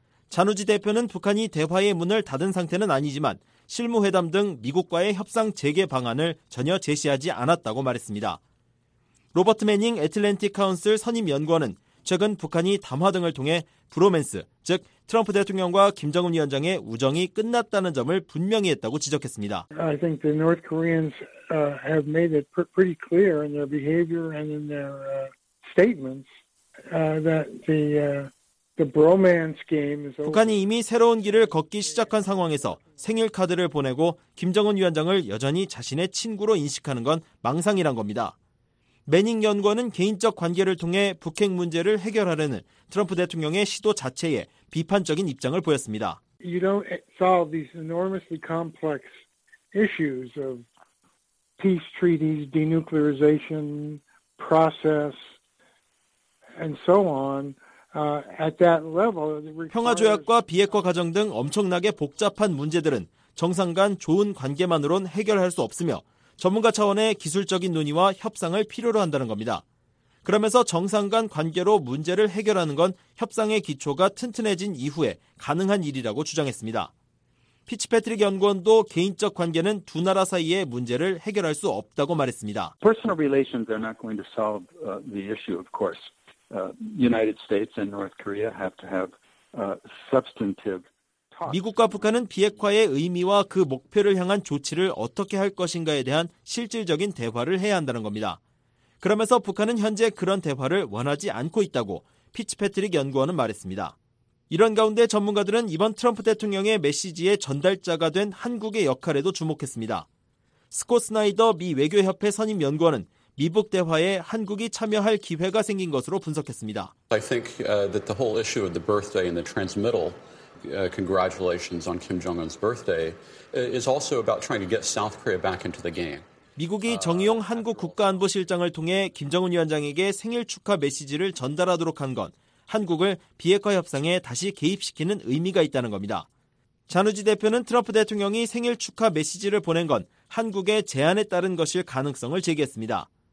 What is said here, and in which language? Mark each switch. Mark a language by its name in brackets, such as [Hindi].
[Korean] 잔우지 대표는 북한이 대화의 문을 닫은 상태는 아니지만 실무회담 등 미국과의 협상 재개 방안을 전혀 제시하지 않았다고 말했습니다. 로버트 매닝 애틀랜틱 카운슬 선임 연구원은 최근 북한이 담화 등을 통해 브로맨스, 즉 트럼프 대통령과 김정은 위원장의 우정이 끝났다는 점을 분명히 했다고 지적했습니다. [English] I think the North Koreans have made it pretty clear in their behavior and in their statements that the bromance game is over. [Korean] 북한이 이미 새로운 길을 걷기 시작한 상황에서 생일 카드를 보내고 김정은 위원장을 여전히 자신의 친구로 인식하는 건 망상이란 겁니다. 매닝 연구원은 개인적 관계를 통해 북핵 문제를 해결하려는 트럼프 대통령의 시도 자체에 비판적인 입장을 보였습니다. [English] You don't solve these enormously complex issues of peace treaties, denuclearization process and so on at that level. [Korean] 평화 조약과 비핵화 과정 등 엄청나게 복잡한 문제들은 정상 간 좋은 관계만으론 해결할 수 없으며 전문가 차원의 기술적인 논의와 협상을 필요로 한다는 겁니다. 그러면서 정상 간 관계로 문제를 해결하는 건 협상의 기초가 튼튼해진 이후에 가능한 일이라고 주장했습니다. 피츠패트릭 연구원도 개인적 관계는 두 나라 사이의 문제를 해결할 수 없다고 말했습니다. [English] Personal relations are not going to solve the issue, of course. United States and North Korea have to have substantive [Korean] 미국과 북한은 비핵화의 의미와 그 목표를 향한 조치를 어떻게 할 것인가에 대한 실질적인 대화를 해야 한다는 겁니다. 그러면서 북한은 현재 그런 대화를 원하지 않고 있다고 피츠패트릭 연구원은 말했습니다. 이런 가운데 전문가들은 이번 트럼프 대통령의 메시지의 전달자가 된 한국의 역할에도 주목했습니다. 스콧 스나이더 미 외교협회 선임 연구원은 미북 대화에 한국이 참여할 기회가 생긴 것으로 분석했습니다. [English] I think that the whole issue of the birthday and the transmittal congratulations on Kim Jong-un's birthday is also about trying to get South Korea back into the game. [Korean] 미국이 정의용 한국 국가안보실장을 통해 김정은 위원장에게 생일 축하 메시지를 전달하도록 한 건 한국을 비핵화 협상에 다시 개입시키는 의미가 있다는 겁니다. 잔우지 대표는 트럼프 대통령이 생일 축하 메시지를 보낸 건 한국의 제안에 따른 것일 가능성을 제기했습니다.